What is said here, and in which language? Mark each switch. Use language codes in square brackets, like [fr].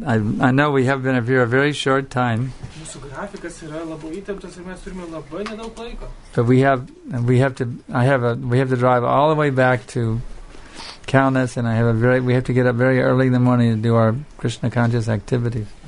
[en] I know we have been here a very short time. [lt] Mūsų grafikas yra labai įtemptas ir mes turime labai nedaug laiko. [en] But we have to drive all the way back to Kaunas, and we have to get up very early in the morning to do our Krishna conscious activities.